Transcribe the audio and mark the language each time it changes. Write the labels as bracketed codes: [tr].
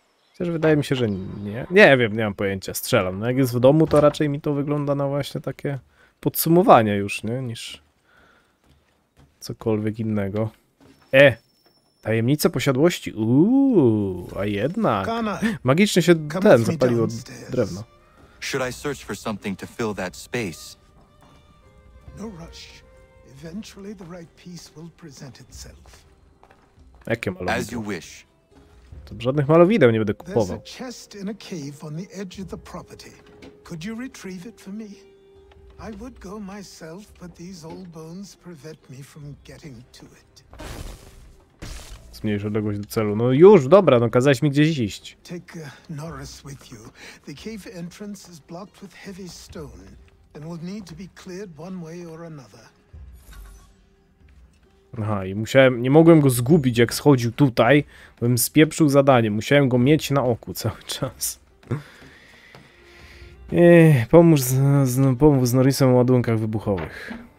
[pl] Chociaż wydaje mi się, że nie. Nie wiem, nie mam pojęcia. Strzelam. No jak jest w domu, to raczej mi to wygląda na właśnie takie podsumowanie już, nie? Niż cokolwiek innego. E! Tajemnice posiadłości. Uuu, a jednak. Magicznie się ten zapalił od drewna. [en] Should I search for something to fill that space? No rush. Eventually the right piece will present itself. [pl] Jakie malowidło? [en] As you wish. [pl] To żadnych malowideł nie będę kupował. [en] There's a chest in a cave on the edge of the property. Could you retrieve it for me? I would go myself, but these old bones prevent me from getting to it. [pl] Zmniejsz odległość do celu. No już, dobra, no kazałeś mi gdzieś iść. [en] Take Norris with you. The cave entrance is blocked with heavy stone. And will need to be cleared one way or another. [pl] Aha, i musiałem, nie mogłem go zgubić, jak schodził tutaj, bym spieprzył zadanie. Musiałem go mieć na oku cały czas. Pomóż z Norrisem o ładunkach wybuchowych.